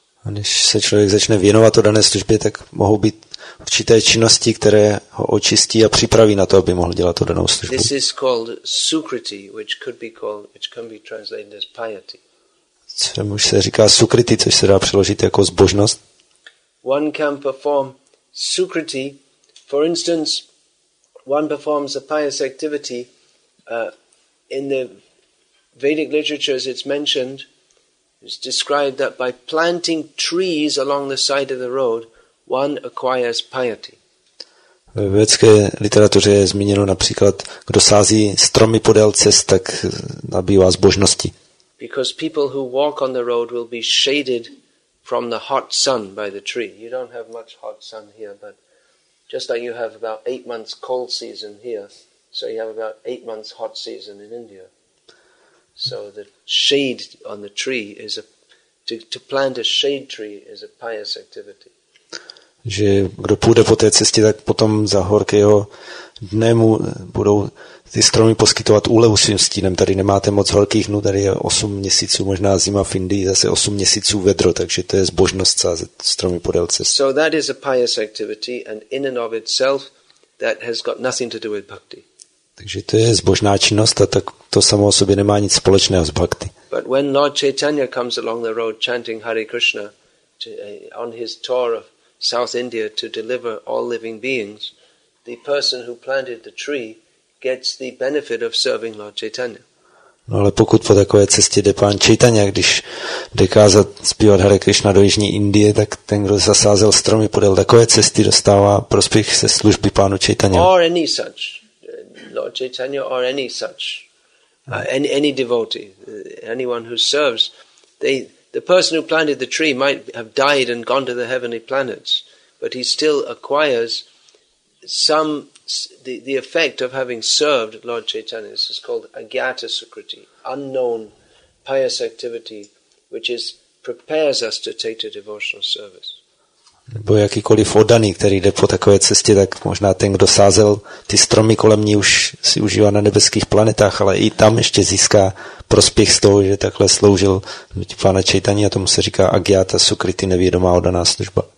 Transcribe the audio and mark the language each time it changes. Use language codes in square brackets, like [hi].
[cs] A když se člověk začne věnovat o dané službě, tak mohou být určité činnosti, které ho očistí a připraví na to, aby mohl dělat o danou službu. [en] This is called sukriti, which can be translated as piety. [cs] Čemu se říká sukriti, což se dá přeložit jako zbožnost. [en] One can perform sukriti, for instance, one performs a pious activity. In the Vedic literature, as it's mentioned, it's described that by planting trees along the side of the road, one acquires piety. [cs] V vědecké literatuře je zmíněno například, kdo sází stromy podél cest, tak nabývá zbožnosti. [en] Because people who walk on the road will be shaded from the hot sun by the tree. You don't have much hot sun here, but just like you have about 8 months cold season here, so you have about 8 months hot season in India. So the shade on the tree is a to plant a shade tree is a pious activity. [cs] Že kdo půjde po té cestě, tak potom za horkého dne mu budou ty stromy poskytovat úlevu svým stínem. Tady nemáte moc horkých dnů, tady je 8 měsíců, možná zima v Indii, zase 8 měsíců vedro, takže to je zbožnost sázet stromy podél cesty. [en] So that is a pious activity and in and of itself that has got nothing to do with bhakti. [cs] Takže to je zbožná činnost a tak to samo o sobě nemá nic společného s bhakti. [en] But when Lord Chaitanya comes along the road chanting Hare Krishna on his tour of South India to deliver all living beings, the person who planted the tree gets the benefit of serving Lord Chaitanya. [cs] No ale pokud po takové cestě jde pán Chaitanya, když jde kázat zpívat Hare Krishna do jižní Indie, tak ten, kdo zasázel stromy podél takové cesty, dostává prospěch ze služby pánu Chaitanya. [en] Or any such. Lord Chaitanya or any such. Any devotee. Anyone who serves. The person who planted the tree might have died and gone to the heavenly planets, but he still acquires some the effect of having served Lord Chaitanya. This is called agyata sukriti, unknown pious activity, which is prepares us to take the devotional service. [cs] Nebo jakýkoliv oddaný, který jde po takové cestě, tak možná ten, kdo sázel ty stromy kolem ní, už si užívá na nebeských planetách, ale i tam ještě získá prospěch z toho, že takhle sloužil pána Chaitanya, a tomu se říká agyata sukriti, nevědomá oddaná služba.